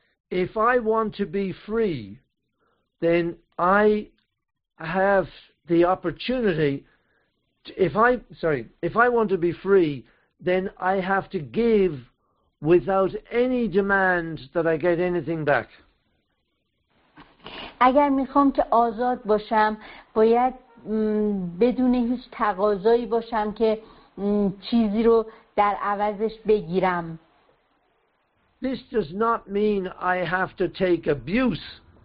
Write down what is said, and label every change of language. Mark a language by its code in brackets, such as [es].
[en] If I want to be free, then I have the opportunity to, if I want to be free, then I have to give without any demand that I get anything back. [fa] اگر میخوام که آزاد باشم باید بدون هیچ تقاضایی باشم که چیزی رو در عوضش بگیرم. [en] This does not mean I have to take abuse.